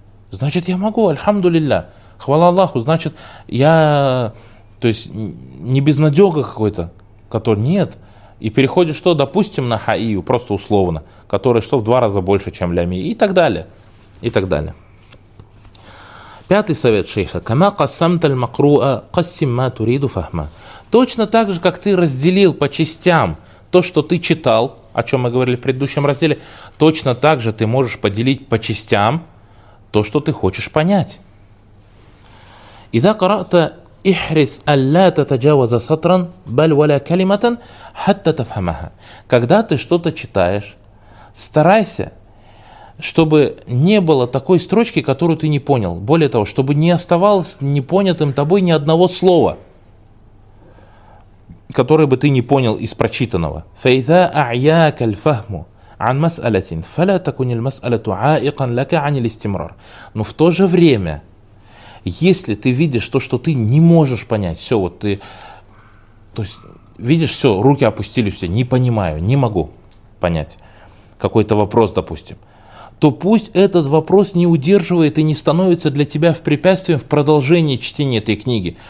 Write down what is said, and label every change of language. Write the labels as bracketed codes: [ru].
[ru] Значит, я могу, альхамду лилля. Хвала Аллаху, значит, я, то есть, не безнадега какой-то, который нет, и переходишь, что, допустим, на хаию, просто условно, который, что, в два раза больше, чем лями, и так далее, и так далее. Пятый совет шейха. [ar] Кама кассамта л-макруа, кассима туриду фахма. [ru] Точно так же, как ты разделил по частям то, что ты читал, о чем мы говорили в предыдущем разделе, точно так же ты можешь поделить по частям то, что ты хочешь понять. [ar] إذا قرأت احرص ألا تتجاوز سطرا بل ولا كلمة حتى تفهمها. [ru] Когда ты что-то читаешь, старайся, чтобы не было такой строчки, которую ты не понял. Более того, чтобы не оставалось непонятым тобой ни одного слова, которое бы ты не понял из прочитанного. [ar] فإذا أعياك الفهم عن مسألة فلا تكن المسألة عائقا لك عن الاستمرار. [ru] Но в то же время, если ты видишь то, что ты не можешь понять, все, вот ты, то есть, видишь, все, руки опустились, все, не понимаю, не могу понять какой-то вопрос, допустим, то пусть этот вопрос не удерживает и не становится для тебя в препятствии в продолжении чтения этой книги.